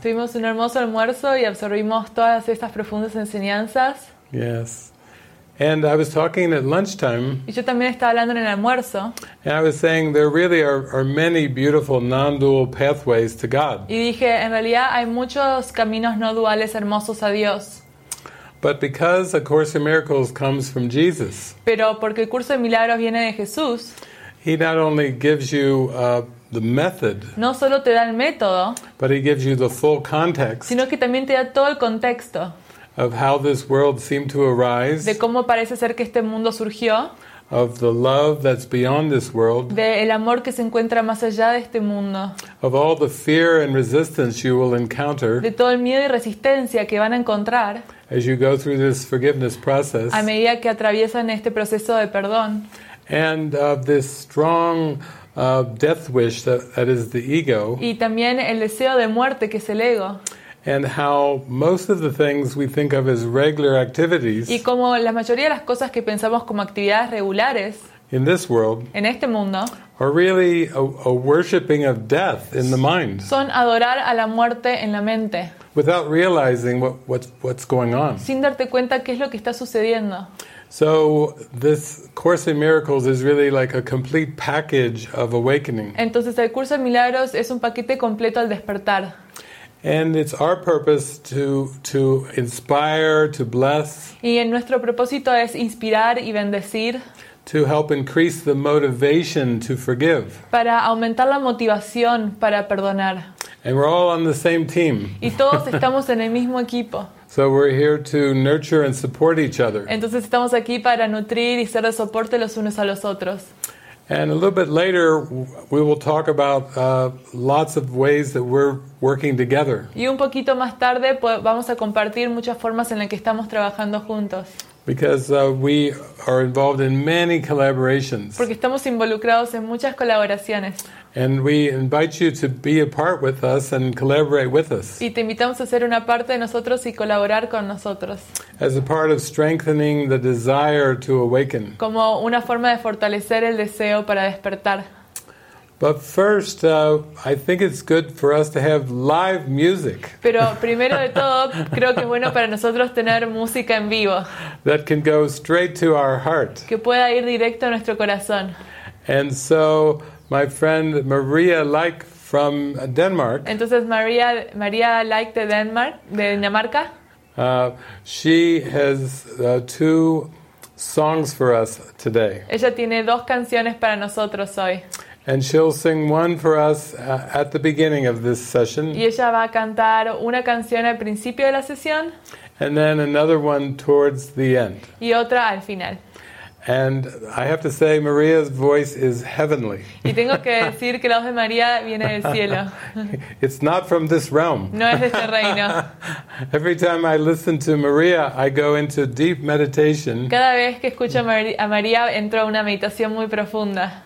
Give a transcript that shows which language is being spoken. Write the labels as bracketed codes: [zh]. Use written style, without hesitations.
[es] Tuvimos un hermoso almuerzo y absorbimos todas estas profundas enseñanzas. [en] Yes. And I was talking at lunchtime. [es] Y yo también estaba hablando en el almuerzo. [en] And I was saying there really are many beautiful non-dual pathways to God. [es] Y dije, en realidad hay muchos caminos no duales hermosos a Dios. [en] But because A Course in Miracles comes from Jesus. [es] Pero porque el curso de milagros viene de Jesús. [en] He not only gives you the method. [es] No solo te da el método. [en] But he gives you the full context. [es] Sino que también te da todo el contexto. [en] Of how this world seemed to arise. [es] De cómo parece ser que este mundo surgió. [en] Of the love that's beyond this world. [es] De el amor que se encuentra más allá de este mundo. [en] Of all the fear and resistance you will encounter. [es] De todo el miedo y resistencia que van a encontrar. [en] As you go through this forgiveness process. [es] A medida que atraviesan este proceso de perdón. [en] And of this strong death wish that is the ego. [es] Y también el deseo de muerte que es el ego. [en] And how most of the things we think of as regular activities. [es] Y como la mayoría de las cosas que pensamos como actividades regulares. [en] In this world. [es] En este mundo. [en] Are really a worshiping of death in the mind. [es] Son adorar a la muerte en la mente. [en] Without realizing what's going on. [es] Sin darte cuenta qué es lo que está sucediendo. [en] So this Course in Miracles is really like a complete package of awakening. [es] Entonces el curso de milagros es un paquete completo al despertar. [en] And it's our purpose to inspire, to bless. [es] Y en nuestro propósito es inspirar y bendecir. [en] To help increase the motivation to forgive. [es] Para aumentar la motivación para perdonar. [en] And we're all on the same team. [es] Y todos estamos en el mismo equipo. [en] So we're here to nurture and support each other. [es] Entonces estamos aquí para nutrir y ser de soporte los unos a los otros. [en] And a little bit later, we will talk about lots of ways that we're working together. [es] Y un poquito más tarde vamos a compartir muchas formas en las que estamos trabajando juntos. [en] Because we are involved in many collaborations. [es] Porque estamos involucrados en muchas colaboraciones. [en] And we invite you to be a part with us and collaborate with us. [es] Y te invitamos a ser una parte de nosotros y colaborar con nosotros. [en] As a part of strengthening the desire to awaken. [es] Como una forma de fortalecer el deseo para despertar. [en] But first, I think it's good for us to have live music. [es] Pero primero de todo, creo que es bueno para nosotros tener música en vivo. [en] That can go straight to our heart. [es] Que pueda ir directo a nuestro corazón. [en] And so, my friend Maria Like from Denmark. [es] Entonces Maria Like de Denmark, de Dinamarca. [en] She has two songs for us today. [es] Ella tiene dos canciones para nosotros hoy. [en] And she'll sing one for us at the beginning of this session. [es] Y ella va a cantar una canción al principio de la sesión. [en] And then another one towards the end. [es] Y otra al final. [en] And I have to say, Maria's voice is heavenly. [es] Y tengo que decir que la voz de María viene del cielo. [en] It's not from this realm. [es] No es de este reino. [en] Every time I listen to Maria, I go into deep meditation. [es] Cada vez que escucho a María, entro a una meditación muy profunda.